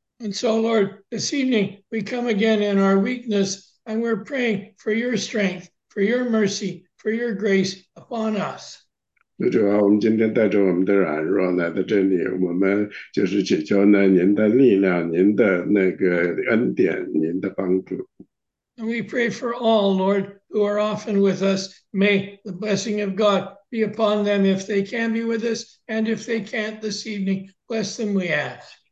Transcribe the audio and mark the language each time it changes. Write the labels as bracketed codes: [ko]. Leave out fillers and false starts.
[en] And so, Lord, this evening we come again in our weakness and we're praying for your strength, for your mercy, for your grace upon us. [zh] 主啊，我们今天带着我们的软弱来到这里，我们就是祈求呢，您的力量、您的那个恩典、您的帮助。 [en] And we pray for all, Lord, who are often with us. May the blessing of God be upon them if they can be with us, and if they can't this evening, bless them, we ask.